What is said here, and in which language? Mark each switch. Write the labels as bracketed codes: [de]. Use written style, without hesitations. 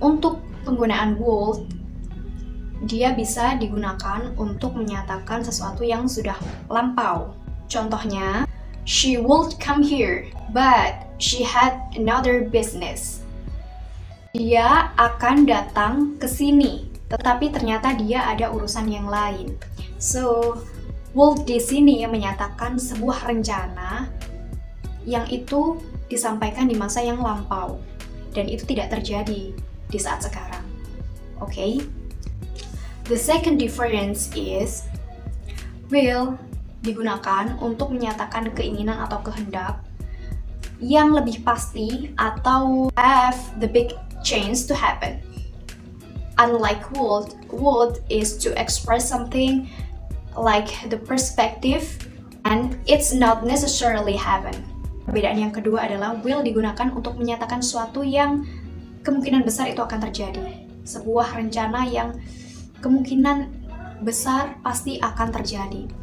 [id] Untuk penggunaan would, dia bisa digunakan untuk menyatakan sesuatu yang sudah lampau. [en] Contohnya, she would come here, but she had another business. [id] Dia akan datang ke sini, tetapi ternyata dia ada urusan yang lain. So, would di sini menyatakan sebuah rencana yang itu disampaikan di masa yang lampau dan itu tidak terjadi di saat sekarang. [en] Okay? The second difference is will [id] digunakan untuk menyatakan keinginan atau kehendak yang lebih pasti atau [en] have the big change to happen. Unlike would is to express something like the perspective and it's not necessarily happen. [id] Perbedaan yang kedua adalah will digunakan untuk menyatakan sesuatu yang kemungkinan besar itu akan terjadi. Sebuah rencana yang kemungkinan besar pasti akan terjadi.